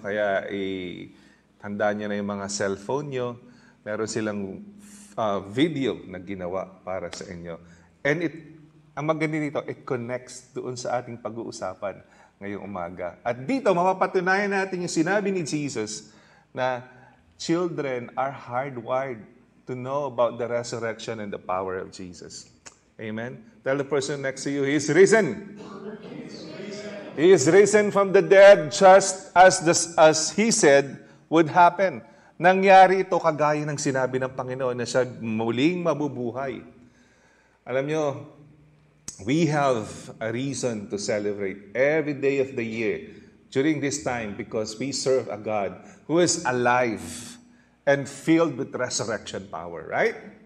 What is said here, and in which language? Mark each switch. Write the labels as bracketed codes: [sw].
[tl] Kaya handa niyo na yung mga cellphone niyo. Meron silang video na ginawa para sa inyo. And ang maganda dito, [en] it connects [tl] doon sa ating pag-uusapan ngayong umaga. At dito, mapapatunayan natin yung sinabi ni Jesus na [en] children are hardwired to know about the resurrection and the power of Jesus. Amen? Tell the person next to you, He is risen! He is risen from the dead just as He said would happen. [tl] Nangyari ito kagaya ng sinabi ng Panginoon na siya muling mabubuhay. Alam nyo, [en] we have a reason to celebrate every day of the year during this time because we serve a God who is alive and filled with resurrection power, right?